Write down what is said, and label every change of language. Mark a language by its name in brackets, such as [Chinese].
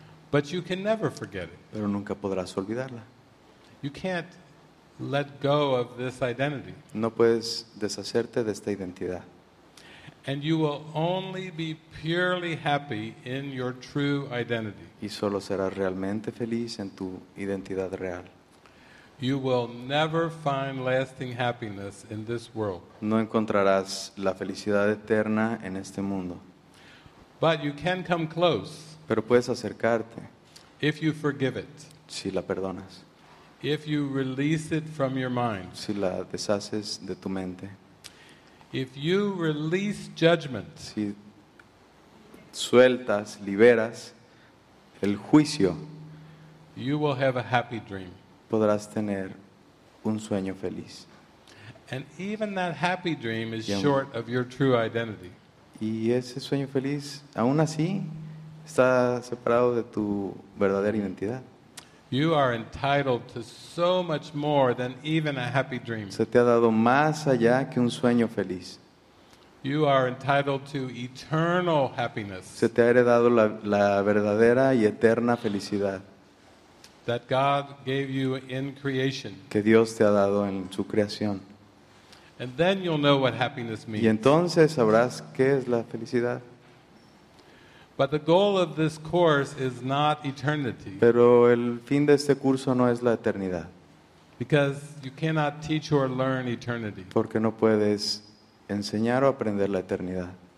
[English] But you can never forget it. [Spanish] Pero nunca podrás olvidarla. [English] You can't let go of this identity. [Spanish] No puedes deshacerte de esta identidad. [English] And you will only be purely happy in your true identity. [Spanish] Y solo serás realmente feliz en tu identidad real. [English] You will never find lasting happiness in this world. [Spanish] No encontrarás la felicidad eterna en este mundo. [English] But you can come close. [Spanish] Pero puedes acercarte. [English] If you forgive it. [Spanish] Si la perdonas. [English] If you release it from your mind. [Spanish] Si la deshaces de tu mente. [English] If you release judgment. [Spanish] Si sueltas, liberas el juicio. [English] You will have a happy dream. [Spanish] Podrás tener un sueño feliz. [English] And even that happy dream is short of your true identity. [Spanish] Y ese sueño feliz, aún así, está separado de tu verdadera identidad. [English] You are entitled to so much more than even a happy dream. [Spanish] Se te ha dado más allá que un sueño feliz. [English] You are entitled to eternal happiness. [Spanish] Se te ha heredado la verdadera y eterna felicidad. [English] That God gave you in creation. [Spanish] Que Dios te ha dado en su creación. [English] And then you'll know what happiness means. [Spanish] Y entonces sabrás qué es la felicidad. [English] But the goal of this course is not eternity. [Spanish] Pero el fin de este curso no es la eternidad. [English] Because you cannot teach or learn eternity. [Spanish] Porque no puedes enseñar o aprender la eternidad.